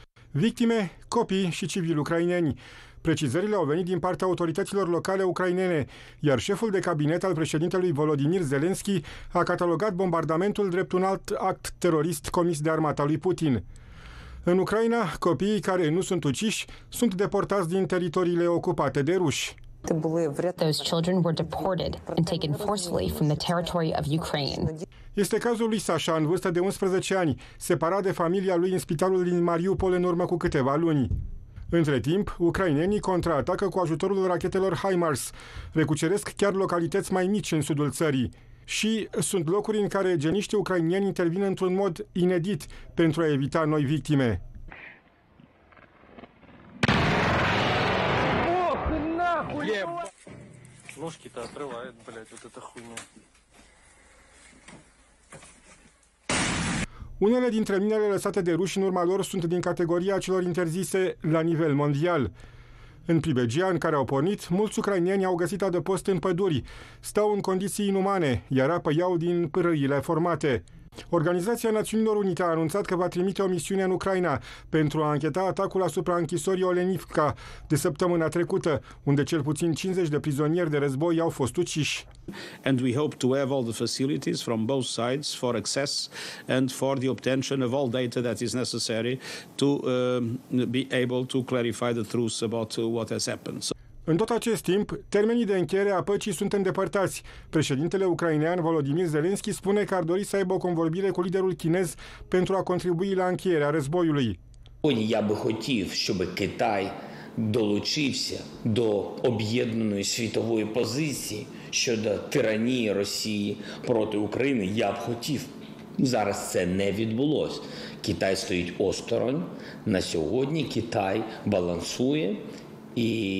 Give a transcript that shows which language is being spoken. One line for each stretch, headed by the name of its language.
Romanian: Victime, copii și civili ucraineni. Precizările au venit din partea autorităților locale ucrainene, iar șeful de cabinet al președintelui Volodymyr Zelensky a catalogat bombardamentul drept un alt act terorist comis de armata lui Putin. În Ucraina, copiii care nu sunt uciși sunt deportați din teritoriile ocupate de ruși.
English: Those children were deported and taken forcefully from the territory of Ukraine.
Romanian: Este cazul lui Sasha, în vârstă de 11 ani, separat de familia lui în spitalul din Mariupol în urmă cu câteva luni. Între timp, ucrainenii contraatacă cu ajutorul rachetelor HIMARS, recuceresc chiar localități mai mici în sudul țării. Și sunt locuri în care geniștii ucrainieni intervin într-un mod inedit pentru a evita noi victime.
Russian: Ножки-то отрывает, блядь, вот эта хуйня.
Romanian: Unele dintre minele lăsate de ruși în urma lor sunt din categoria celor interzise la nivel mondial. În Pribegia, în care au pornit, mulți ucraineni au găsit adăpost în păduri. Stau în condiții inumane, iar apă iau din pârâile formate. Organizația Națiunilor Unite a anunțat că va trimite o misiune în Ucraina pentru a ancheta atacul asupra închisorii Olenivka de săptămâna trecută, unde cel puțin 50 de prizonieri de război au fost uciși.
English: And we hope to have all the facilities from both sides for access and for the obtention of all data that is necessary to be able to clarify the truth about what has happened.
Romanian: În tot acest timp, termenii de încheiere a păcii sunt îndepărtați. Președintele ucrainean Volodymyr Zelensky spune că ar dori să aibă o convorbire cu liderul chinez pentru a contribui la încheierea războiului.
Ukrainian: Я би хотів, щоб Китай долучився до об'єднаної світової позиції щодо тиранії Росії проти України. Я б хотів. Зараз це не відбулось. Китай стоїть осторонь. На сьогодні Китай балансує і